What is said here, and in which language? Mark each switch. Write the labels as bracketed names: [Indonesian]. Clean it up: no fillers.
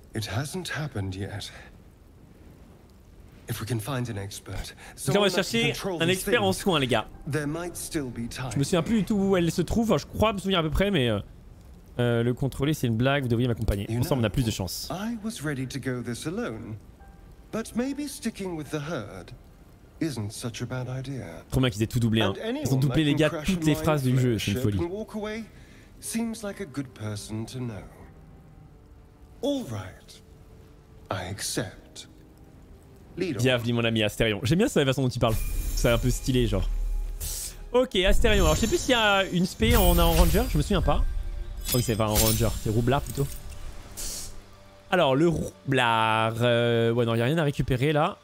[English] It hasn't happened yet. If we can find an expert. [French] Donc on va chercher un expert en soin, les gars. [English] There might still be time. [French] Je me souviens plus du tout où elle se trouve, enfin, je crois me souvenir à peu près, mais le contrôler c'est une blague, vous devriez m'accompagner. Ensemble on a plus de chance. [English] I was ready to go this alone. But maybe sticking with the herd isn't such a bad idea. [French] Trop bien qu'ils aient tout doublé, hein. Ils ont doublé, les gars, toutes les phrases du jeu, c'est une folie. [English] Walk away seems like a good person to know. All right, I accept. [French] Bienvenue mon ami Astarion. J'aime bien ça, la façon dont il parle. C'est un peu stylé, genre. Ok, Astarion. Alors je sais plus s'il y a une spé en un ranger, je me souviens pas. Je crois que c'est pas un ranger, c'est roublard plutôt. Alors, le roublard. Ouais, non, y'a rien à récupérer là.